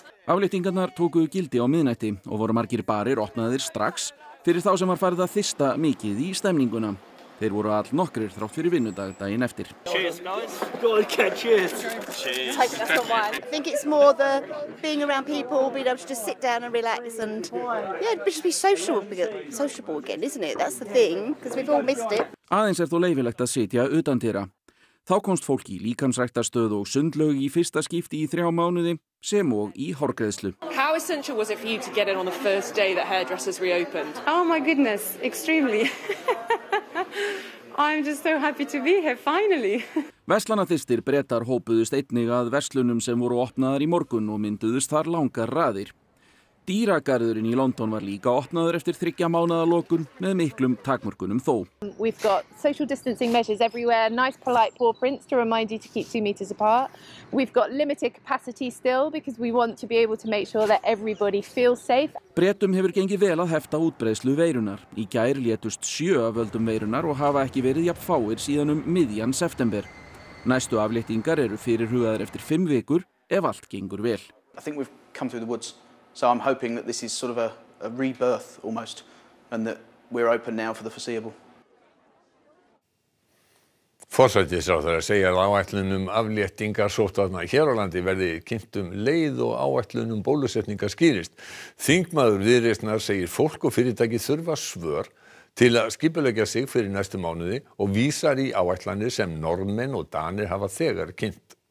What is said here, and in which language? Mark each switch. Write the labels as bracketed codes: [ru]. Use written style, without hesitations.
[is] Afléttingarnar tóku gildi á miðnætti og voru margir barir opnaðir strax fyrir þá sem var farið að þysta mikið í stemninguna. Þeir voru all nokkrir þrátt fyrir vinnudag daginn eftir. [en] Cheers, guys. God, okay, cheers. Cheers. Take us for wine. I think it's more the being around people, being able to just sit down and relax and... Yeah, just be sociable again, isn't it? That's the thing, because we've all missed it. [is] Aðeins er þó leyfilegt að sitja utandyra. Þá komst fólk í líkamsræktarstöð og sundlög í fyrsta skipti í 3 mánuði, sem og í hárgreiðslu. [en] How essential was it for you to get in on the first day that hairdressers reopened? Oh my goodness, extremely. I'm just so happy to be here, finally. [is] Verslanaþystir Bretar hópuðust einnig að verslunum sem voru opnaðar í morgun og mynduðust þar langar raðir. Dýragarðurinn í London var líka opnaður eftir 3 mánaða lokun með miklum takmörkunum þó. [en] We've got social distancing measures everywhere, nice polite paw prints to remind you to keep 2 meters apart. We've got limited capacity still because we want to be able to make sure that everybody feels safe. [is] Bretum hefur gengið vel að hefta útbreiðslu veirunar. Í gær létust 7 af völdum veirunar og hafa ekki verið jafn fáir síðan miðjan september. Næstu afléttingar eru fyrirhugaðar eftir 5 vikur ef allt gengur vel. [en] I think we've come through the woods, so I'm hoping that this is sort of a rebirth almost and that we're open now for the foreseeable. [is] Forsætisráðherra segir að áætlunum afléttingar sóttvarna hér á landi verði kynnt leið og áætlunum bólusetninga skýrist. Þingmaður Viðreisnar segir fólk og fyrirtæki þurfa svör til að skipuleggja sig fyrir næstu mánuði og vísar í áætlanir sem Norðmenn og Danir hafa þegar kynnt.